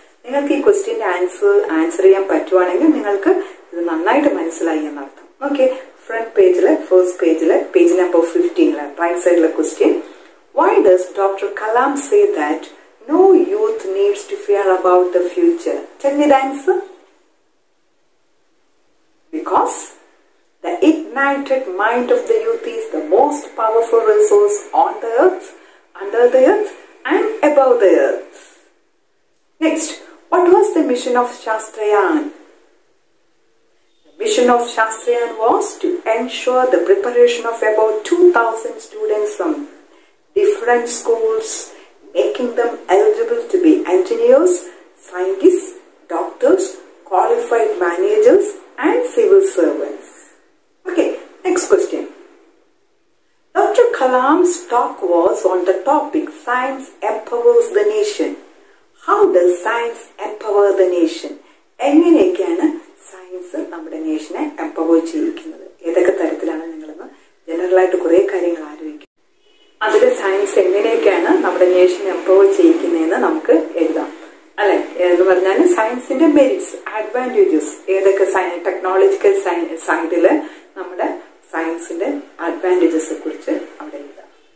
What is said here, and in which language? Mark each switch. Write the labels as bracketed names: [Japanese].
[Malayalam] നിങ്ങൾക്ക് ഈ ക്വസ്റ്റ്യൻ്റെ ആൻസർ ചെയ്യാൻ പറ്റുവാണെങ്കിൽ നിങ്ങൾക്ക് ഇത് നന്നായിട്ട് മനസ്സിലായി എന്നർത്ഥം. ഓക്കെ, ഫ്രണ്ട് പേജില് ഫസ്റ്റ് പേജില് പേജ് നമ്പർ 15 റൈറ്റ് സൈഡിലെ question, [English] Why does doctor Kalam say that No youth needs to fear about the future. Tell me the answer. Because the ignited mind of the youth is the most powerful resource on the earth, under the earth and above the earth. Next, what was the mission of Shastrayan? The mission of Shastrayan was to ensure the preparation of about 2000 students from different schools, making them eligible to be engineers, scientists, doctors, qualified managers and civil servants. Okay, next question. Dr. Kalam's talk was on the topic Science Empowers the Nation. How does science empower the nation? [Malayalam] എങ്ങനെയൊക്കെയാണ് science നമ്മുടെ നേഷനെ empower ചെയ്യിക്കുന്നത്? ഏതൊക്കെ തരത്തിലാണ് നിങ്ങളെന്ന് general ആയിട്ട് കുറെ കാര്യങ്ങൾ ആലോചിക്കുന്നത്. അതിൽ science എങ്ങനെയൊക്കെയാണ് നമ്മുടെ നേഷൻ എംപവർ ചെയ്യിക്കുന്നതെന്ന് നമുക്ക് എഴുതാം അല്ലെ. എന്ന് പറഞ്ഞാൽ സയൻസിന്റെ മെരിറ്റ്സ്, അഡ്വാൻറ്റേജസ്, ഏതൊക്കെ ടെക്നോളജിക്കൽ സൈഡില് നമ്മുടെ സയൻസിന്റെ അഡ്വാൻറ്റേജസ് കുറിച്ച് അവിടെ എഴുതാം.